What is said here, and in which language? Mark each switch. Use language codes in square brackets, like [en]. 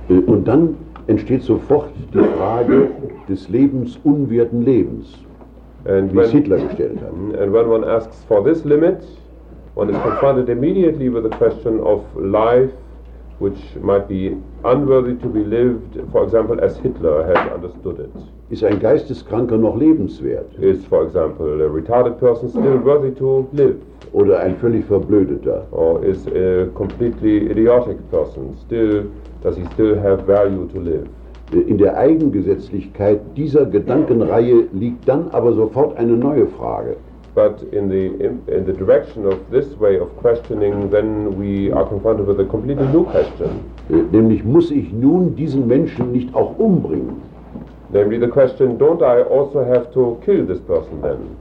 [de] Und dann entsteht sofort die Frage des lebensunwerten Lebens, [en] and [de] wie Hitler gestellt hat. [en] And when one asks for this limit, one is confronted immediately with the question of life, which might be unworthy to be lived, for example, as Hitler has understood it. [de] Ist ein Geisteskranker noch lebenswert? [en] Is, for example, a retarded person still worthy to live? [de] Oder ein völlig verblödeter? [en] Or is a completely idiotic person still, does he still have value to live? [de] In der Eigengesetzlichkeit dieser Gedankenreihe liegt dann aber sofort eine neue Frage. [en] But in the direction of this way of questioning, then we are confronted with a completely new question. [de] Nämlich, muss ich nun diesen Menschen nicht auch umbringen? [en] Namely the question, don't I also have to kill this person then?